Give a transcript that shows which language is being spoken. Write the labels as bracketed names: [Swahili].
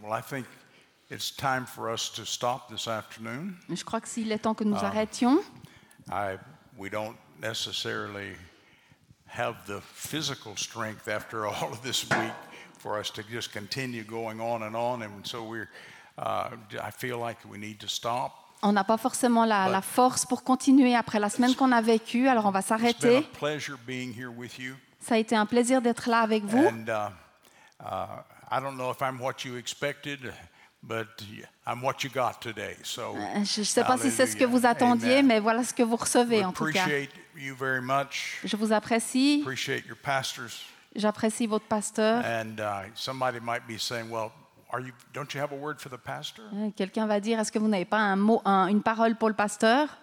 [English] Well, I think it's time for us to stop this afternoon. [French] Je crois que s'il est temps que nous arrêtions. [English] We don't necessarily have the physical strength after all of this week for us to just continue going on, and so I feel like we need to stop. [French] On n'a pas forcément la force pour continuer après la semaine qu'on a vécue, alors on va s'arrêter. [English] It's been a pleasure being here with you. [French] Ça a été un plaisir d'être là avec vous. [English] And I don't know if I'm what you expected, but I'm what you got today. So, [French] je ne sais pas si c'est ce que vous attendiez, mais voilà ce que vous recevez en tout cas. [English] You very much. [French] Je vous apprécie. [English] Appreciate your pastors. [French] J'apprécie votre pasteur. [English] And somebody might be saying, well, don't you have a word for the pastor? [French] Quelqu'un va dire, est-ce que vous n'avez pas une parole pour le pasteur?